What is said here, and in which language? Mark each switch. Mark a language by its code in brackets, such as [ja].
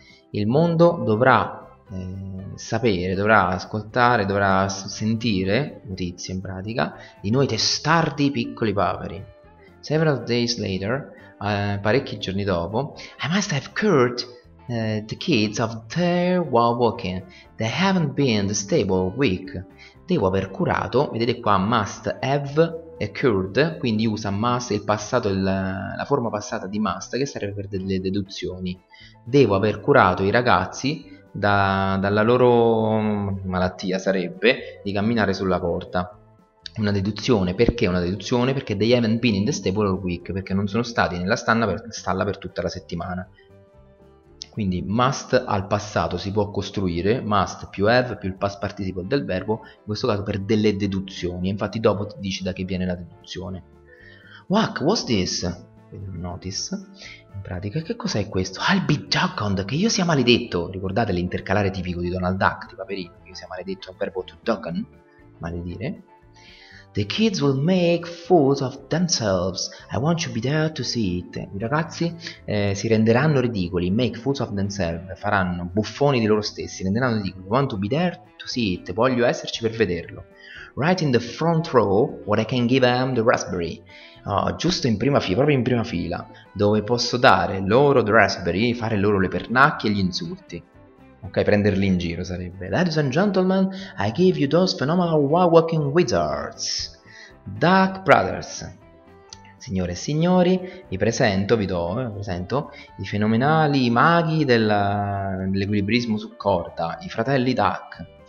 [it] Il mondo dovrà sapere, dovrà ascoltare, dovrà sentire notizie in pratica di noi testardi piccoli paveri. [en] Several days later, [it] parecchi giorni dopo, [en] I must have cured the kids of their wild walking. They haven't been in the stable week. [it] Devo aver curato, vedete qua, [en] must have occurred, [it] quindi usa must, il passato, la forma passata di must, che serve per delle deduzioni. Devo aver curato i ragazzi dalla loro malattia, sarebbe di camminare sulla corda. Una deduzione, perché una deduzione? Perché [en] they haven't been in the stable all week, [it] perché non sono stati nella stalla per tutta la settimana. Quindi must al passato si può costruire, must più have più il past participle del verbo, in questo caso per delle deduzioni. Infatti dopo ti dice da che viene la deduzione. [en] What was this? Notice. [it] In pratica, che cos'è questo? [en] I'll be doggone, [it] che io sia maledetto. Ricordate l'intercalare tipico di Donald Duck, di Paperino, che io sia maledetto, è un verbo to doggone, maledire. [en] The kids will make fools of themselves. I want you to be there to see it. [it] I ragazzi si renderanno ridicoli. [en] Make fools of themselves. [it] Faranno buffoni di loro stessi. Renderanno ridicoli. [en] I want to be there to see it. [it] Voglio esserci per vederlo. [en] Right in the front row, where I can give them the raspberry. [it] Giusto in prima fila, proprio in prima fila, dove posso dare loro [en] the raspberry, [it] fare loro le pernacchie e gli insulti. Ok, prenderli in giro sarebbe. [en] Ladies and gentlemen, I give you those phenomenal wild walking wizards, Duck Brothers. [it] Signore e signori, vi presento i fenomenali maghi dell'equilibrismo su corda, i fratelli Duck.